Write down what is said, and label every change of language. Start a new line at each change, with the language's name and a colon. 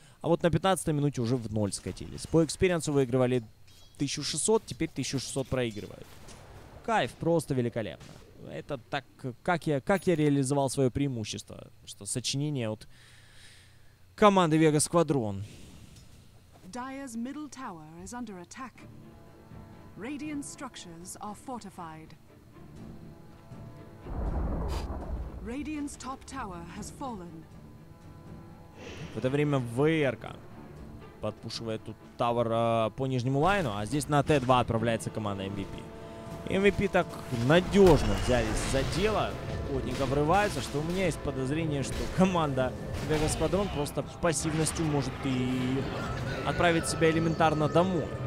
Russian: А вот на 15-й минуте уже в ноль скатились. По экспириенсу выигрывали 1600, теперь 1600 проигрывают. Кайф, просто великолепно. Это так, как я реализовал свое преимущество. Что сочинение от команды Vega Squadron.
English: Dire's middle tower is under attack. Radiant structures are fortified. Radiant's top tower has fallen.
Russian: В это время ВР-ка подпушивает тут тауэр по нижнему лайну, а здесь на Т2 отправляется команда MVP. MVP так надежно взялись за дело, охотников врывается, что у меня есть подозрение, что команда Vega Squadron просто пассивностью может и отправить себя элементарно домой.